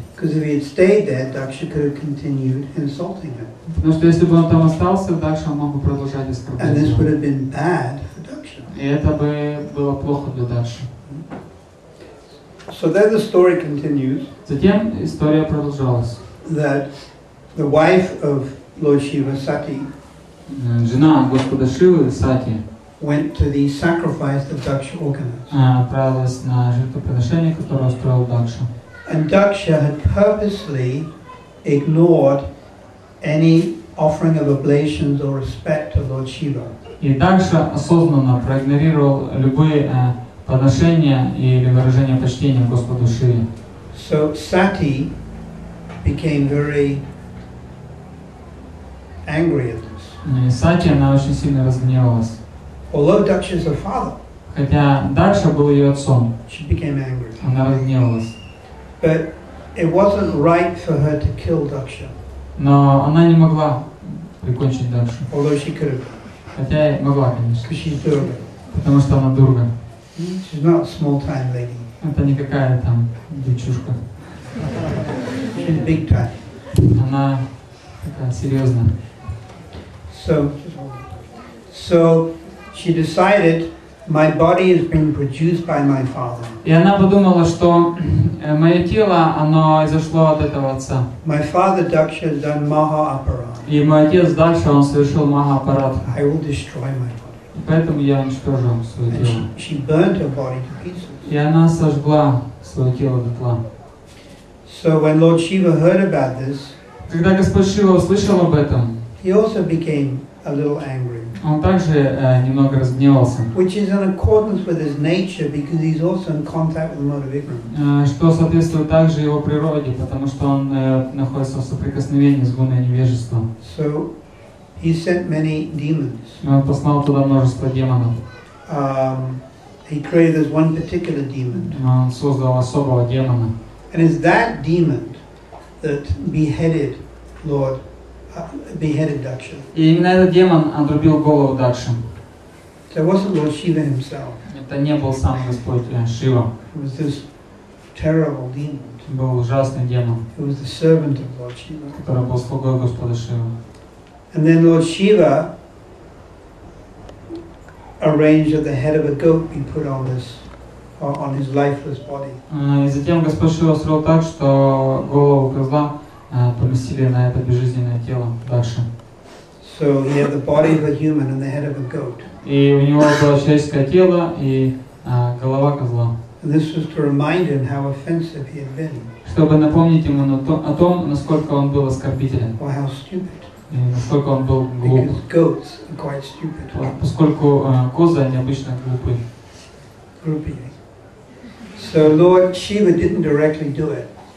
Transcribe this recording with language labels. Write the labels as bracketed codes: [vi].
[en] Because if he had stayed there, Daksha could have continued insulting him. [ru] Потому что если бы он там остался, Дакша мог бы продолжать оскорблять его. [en] And this would have been bad for Daksha. [ru] И это бы было плохо для Дакши. [en] So then the story continues. [ru] Затем история продолжалась. [en] That the wife of Lord Shiva, Sati, [ru] жена господа Шивы, Сати, [en] went to the sacrifice of Daksha organized. [ru] Отправилась на жертвоприношение, которое устроил Дакша. [en] And Daksha had purposely ignored any offering of oblations or respect to Lord Shiva. [ru] И Дакша осознанно проигнорировал любые подношение или выражение почтения Господу Шиве. [en] So Sati became very angry at this. [ru] Сати, она очень сильно разгневалась. [en] Although Daksha is her father. [ru] Хотя Дакша был ее отцом. [en] She became angry. [ru] Она разгневалась. [en] But it wasn't right for her to kill Daksha. [ru] Но она не могла прикончить Дакшу. [en] Although she could have. [ru] Хотя и могла, конечно. [en] Because she's Durga. [ru] Потому что она Дурга. [en] She's not a small-time lady. [ru] Это не какая там девчушка. [en] She's big time. [ru] Она такая серьезная. [en] So she decided, my body is being produced by my father. [ru] И она подумала, что мое тело, оно изошло от этого отца. [en] My father Daksha has done maha aparad. [ru] И мой отец Дакша, он совершил маха аппарат. [en] I will destroy my body. [ru] Поэтому я уничтожу свое тело. [en] She burnt her body to pieces. [ru] И она сожгла свое тело дотла. [en] So when Lord Shiva heard about this, [ru] когда Господь Шива услышал об этом, [en] he also became a little angry. [ru] Он также немного разгневался. [en] Which is in accordance with his nature, because he's also in contact with the mode of ignorance. [ru] Что соответствует также его природе, потому что он находится в соприкосновении с гуной невежества. [en] So he sent many demons. [ru] Он послал туда множество демонов. [en] He created this one particular demon. [ru] Он создал особого демона. [en] And it's that demon that beheaded Lord, beheaded Daksha. [ru] И именно этот демон отрубил голову Дакши. [en] So it wasn't Lord Shiva himself. [ru] Это не был сам Господь Шива. [en] It was this terrible demon. [ru] Был ужасный демон. [en] It was the servant of Lord Shiva. [ru] Который был слугой Господа Шивы. [en] And then Lord Shiva arranged that the head of a goat be put on this, on his lifeless body. [ru] И затем Господь Шива устроил так, что голову козла поместили на это безжизненное тело Дакши. [en] So he had the body of a human and the head of a goat. [ru] И у него было человеческое тело и голова козла. [en] And this was to remind him how offensive he had been. [ru] Чтобы напомнить ему о том, насколько он был оскорбителен. [en] Or how stupid. [ru] Насколько он был глуп. [en] Because goats are quite stupid. [ru] Поскольку козы они обычно глупые. [en] Groupie. So Lord Shiva didn't directly do it.